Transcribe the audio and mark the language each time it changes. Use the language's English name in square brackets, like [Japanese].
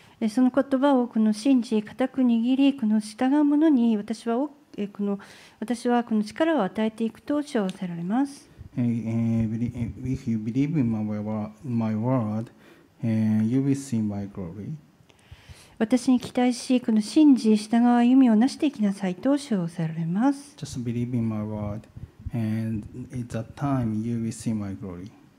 [Japanese] その言葉をこの信じ固く握りこの従うものに私はこの力を与えていくと主張されます。 [English] If you believe in my word, you will see my glory. [Japanese] 私に期待し、この信じ従う歩みを成していきなさいと主を仰せます。 [English] Just believe in my word, and at that time you will see my glory.